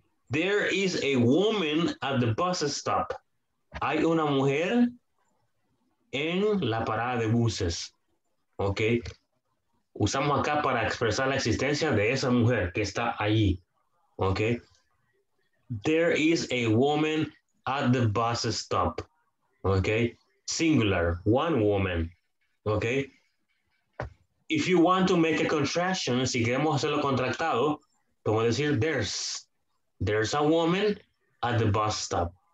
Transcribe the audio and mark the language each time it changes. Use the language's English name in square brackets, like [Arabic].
[English] There is a woman at the bus stop. [Spanish] Hay una mujer en la parada de buses. [English] Okay. [Spanish] Usamos acá para expresar la existencia de esa mujer que está allí. [English] Okay. There is a woman at the bus stop. Okay. Singular, one woman. Okay. If you want to make a contraction, [Spanish] si queremos hacerlo contractado, como decir, [English] there's a woman at the bus stop.